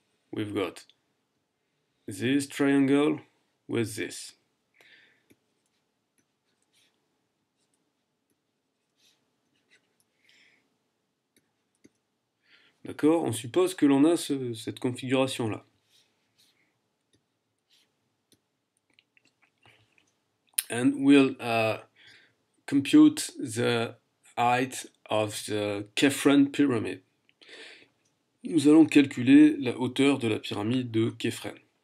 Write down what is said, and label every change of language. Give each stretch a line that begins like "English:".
English: We've got this triangle with this.
French: D'accord? On suppose que l'on a cette configuration-là.
English: And we'll compute the height of the Khafre pyramid.
French: Nous allons calculer la hauteur de la pyramide de Khafre.